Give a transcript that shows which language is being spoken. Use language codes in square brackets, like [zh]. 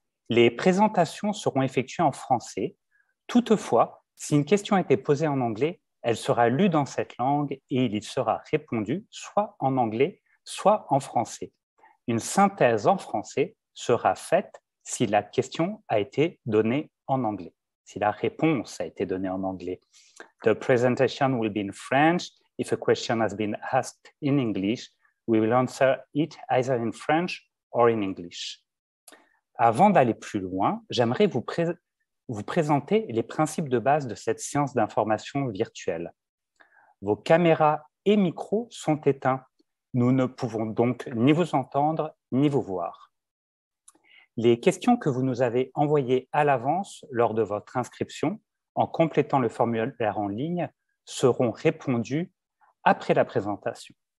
[fr] Les présentations seront effectuées en français. Toutefois, si une question a été posée en anglais, elle sera lue dans cette langue et il y sera répondu soit en anglais, soit en français. Une synthèse en français sera faite si la question a été donnée en anglais, si la réponse a été donnée en anglais. [en] The presentation will be in French if a question has been asked in English. We will answer it either in French or in English. [fr] Avant d'aller plus loin, j'aimerais vous présenter les principes de base de cette séance d'information virtuelle. Vos caméras et micros sont éteints. Nous ne pouvons donc ni vous entendre ni vous voir. Les questions que vous nous avez envoyées à l'avance lors de votre inscription, en complétant le formulaire en ligne, seront répondues après la présentation.